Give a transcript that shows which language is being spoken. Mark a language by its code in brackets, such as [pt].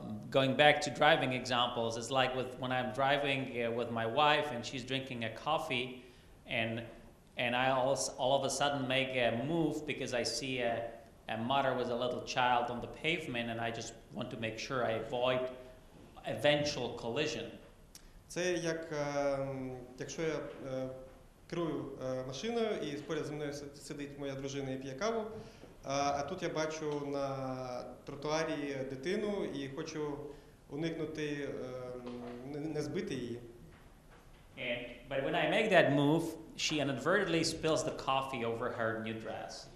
[en] Going back to driving examples, it's like with when I'm driving with my wife and she's drinking a coffee and I all of a sudden make a move because I see a mother with a little child on the pavement and I just want to make sure I avoid eventual collision. [uk] Це як якщо я керую машиною і поряд зі мною сидить моя дружина і п'є каву, а тут я бачу на тротуарі дитину і хочу уникнути не збити її. [en] But when I make that move, she inadvertently spills the coffee over her new dress.